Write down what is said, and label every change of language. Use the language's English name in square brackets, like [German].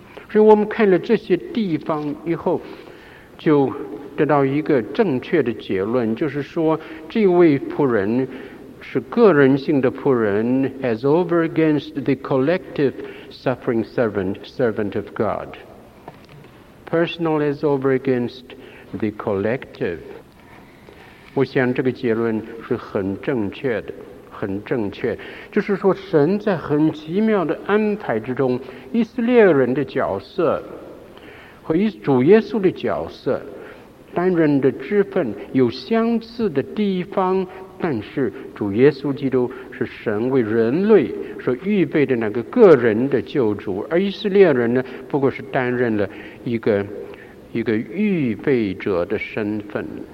[Chinese] 所以我们看了这些地方以后，就得到一个正确的结论，就是说这位仆人是个人性的仆人， [English] as over against the collective suffering servant of God. Personal as over against the collective. [Chinese] 我想这个结论是很正确的，很正确，就是说神在很奇妙的安排之中，以色列人的角色和主耶稣的角色担任的职分有相似的地方，但是主耶稣基督是神为人类所预备的那个个人的救主，而以色列人呢，不过是担任了一个预备者的身份。